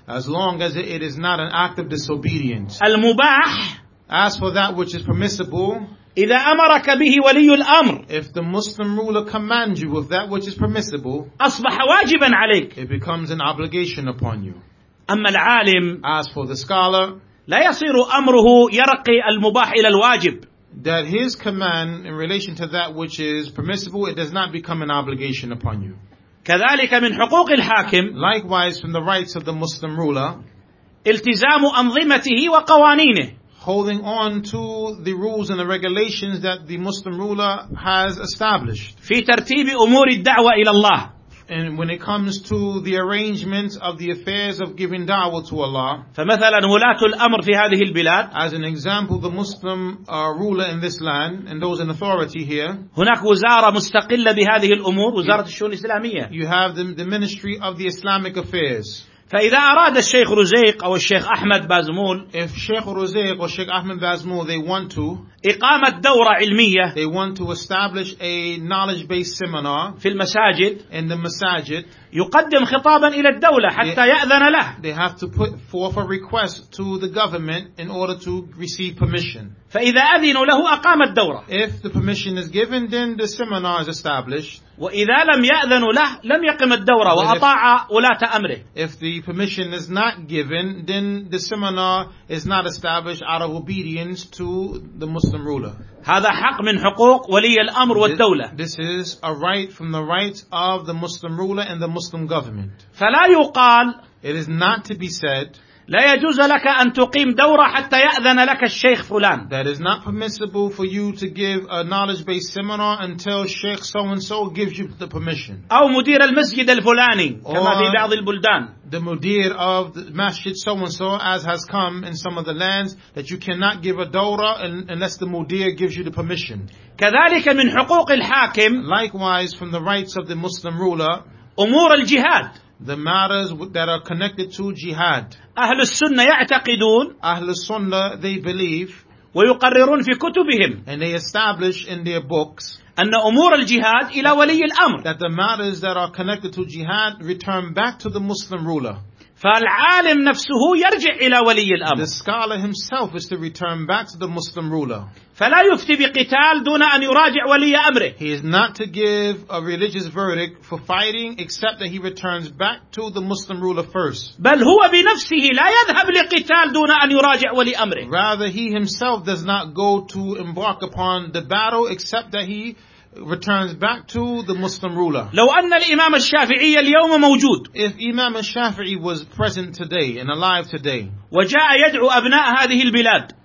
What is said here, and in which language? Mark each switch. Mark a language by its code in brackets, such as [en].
[en] as long as it is not an act of disobedience [ar] المباح [en] as for that which is permissible [ar] إذا أمرك به ولي الأمر [en] if the Muslim ruler commands you with that which is permissible [ar] أصبح واجبا عليك [en] it becomes an obligation upon you [ar] أما العالم [en] as for the scholar [ar] لا يصير أمره يرقي المباح إلى الواجب [en] That his command in relation to that which is permissible, it does not become an obligation upon you. [ar] كذلك من حقوق الحاكم. [en] Likewise, from the rights of the Muslim ruler. [ar] التزام أنظمته وقوانينه. [en] Holding on to the rules and the regulations that the Muslim ruler has established. [ar] في ترتيب أمور الدعوة إلى الله. [en] And when it comes to the arrangement of the affairs of giving da'wah to Allah, [ar] فمثلا ولاة الأمر في هذه البلاد, [en] as an example, the Muslim ruler in this land and those in authority here, [ar] هناك وزارة مستقلة بهذه الأمور, وزارة الشؤون الإسلامية. [en] You have the Ministry of the Islamic Affairs. [ar] فإذا أراد الشيخ رزيق أو الشيخ أحمد بازمول [en] If Sheikh Ruzayq or Sheikh Ahmed Bazmul they want to [ar] إقامة دورة علمية [en] They want to establish a knowledge-based seminar [ar] في المساجد [en] In the masajid [ar] يقدم خطابا إلى الدولة حتى يأذن له [en] They have to put forth a request to the government in order to receive permission [ar] فإذا أذنوا له أقام الدورة [en] If the permission is given then the seminar is established [ar] وإذا لم يأذنوا له لم يقم الدورة وأطاع ولاة أمره [en] If the permission is not given then the seminar is not established out of obedience to the Muslim ruler [ar] هذا حق من حقوق ولي الأمر والدولة [en] This is a right from the rights of the Muslim ruler and the Muslim government [ar] فلا يقال [en] It is not to be said [ar] لا يجوز لك أن تقيم دورة حتى يأذن لك الشيخ فلان. [en] That is not permissible for you to give a knowledge-based seminar until Sheikh so-and-so gives you the permission. [ar] أو مدير المسجد الفلاني كما في بعض البلدان. [en] The mudir of the masjid so-and-so as has come in some of the lands that you cannot give a dawra unless the mudir gives you the permission. [ar] كذلك من حقوق الحاكم. [en] Likewise from the rights of the Muslim ruler. [ar] أمور الجهاد. [en] The matters that are connected to jihad. [ar] أهل السنة يعتقدون. [en] أهل السنة they believe. [ar] ويقررون في كتبهم. [en] And they establish in their books. [ar] أن أمور الجهاد إلى ولي الأمر. [en] That the matters that are connected to jihad return back to the Muslim ruler. [ar] فالعالم نفسه يرجع إلى ولي الأمر. [en] The scholar himself is to return back to the Muslim ruler. [ar] فلا يفتي بقتال دون أن يراجع ولي أمره. [en] He is not to give a religious verdict for fighting except that he returns back to the Muslim ruler first. [ar] بل هو بنفسه لا يذهب لقتال دون أن يراجع ولي أمره. [en] Rather he himself does not go to embark upon the battle except that he returns back to the Muslim ruler. [ar] لو أن الإمام الشافعي اليوم موجود. [en] If Imam al-Shafi'i was present today and alive today. [ar] وجاء يدعو أبناء هذه البلاد.